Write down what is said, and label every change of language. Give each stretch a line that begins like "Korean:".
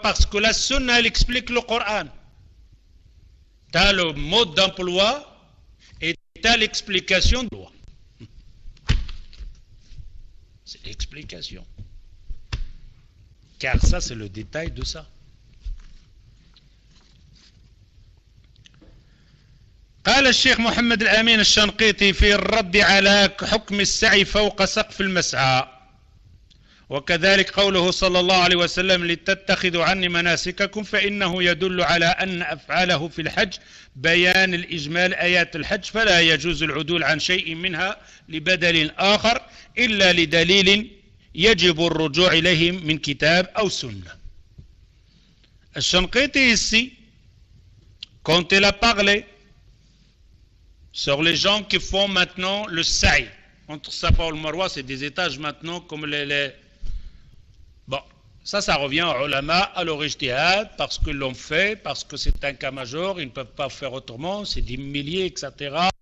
French: Parce que la sunna, elle explique le Coran. Tu as le mode d'emploi et tu as l'explication de loi. C'est l'explication. Car ça, c'est le détail de ça.
Arabic: قال الشيخ محمد الأمين الشنقيطي في الرد على حكم السعي فوق سقف المسعى وكذلك قوله صلى الله عليه وسلم لتتخذوا عني مناسككم فإنه يدل على أن أفعاله في الحج بيان الإجمال آيات الحج فلا يجوز العدول عن شيء منها لبدل آخر إلا لدليل يجب الرجوع إليه من كتاب أو سنة.
French: الشنقيطي ici quand il a parlé sur les gens qui font maintenant le sa'i entre Safa et Marwa, c'est des étages maintenant comme les... Bon, ça revient aux ulama, à l'orijtihad, parce qu'ils l'ont fait, parce que c'est un cas majeur, ils ne peuvent pas faire autrement, c'est des milliers, etc.